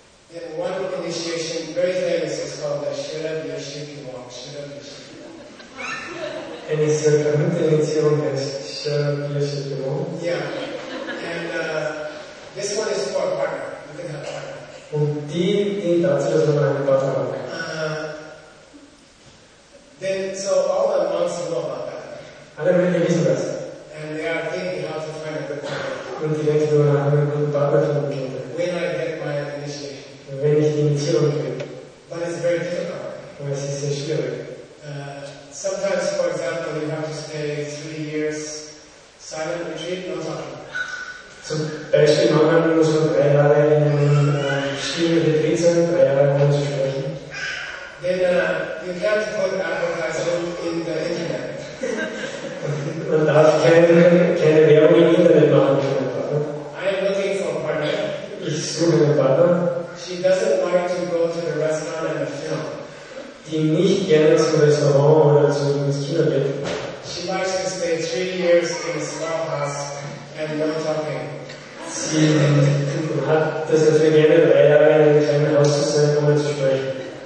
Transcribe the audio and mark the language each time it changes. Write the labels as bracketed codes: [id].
[en] Then one initiation, very famous, is called the Shirab Yashiki Walk. Shirab Yashiki Walk. [de] Eine sehr berühmte Initiation heißt Shirab Yashiki Walk. [en] Yeah. And this one is for a partner. You can have a partner. [de] Und die dient dazu, dass man einen Partner hat. [en] Then, so all the monks know about that. [de] Alle Mönche wissen das. [en] And they are thinking how to find a good partner. [de] Und die Leute wollen einen guten Partner finden. [en] When I get my initiation. [de] Wenn ich die Initiation kriege. [en] But it's very difficult. [de] Aber es ist sehr schwierig. [en] Sometimes, for example, you have to stay 3 years silent retreat, no talking. [de] Zum Beispiel, manchmal muss man 3 Jahre in einem stillen Retreat sein, 3 Jahre ohne zu sprechen. [en] Then, you can't put advertising in the internet. [de] Man darf keine Werbung im Internet machen für einen [en] Partner. I am looking for a partner. [de] Ich suche einen Partner. [en] She doesn't like to go to the restaurant and a film. [de] Die nicht gerne zum Restaurant oder zum Kino geht. [en] She likes to stay 3 years in a small house and no talking. [de] Sie hat das dafür gerne, 3 Jahre in einem kleinen Haus zu sein, ohne zu sprechen.